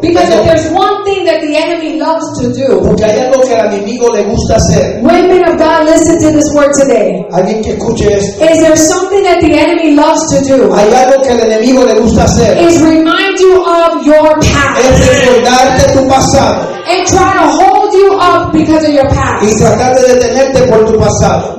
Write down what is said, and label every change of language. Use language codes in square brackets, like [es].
[en] Because if there's one thing that the enemy loves to do. [es] Porque hay algo que al enemigo le gusta hacer. [en] Women of God, listen to this word today. [es] Alguien que escuche esto. [en] Is there something that the enemy loves to do? [es] Hay algo que al enemigo le gusta hacer. [en] Is remind you of your past. [es] Es recordarte tu pasado. [en] And try to hold you up because of your past. [es] Y tratar de detenerte por tu pasado.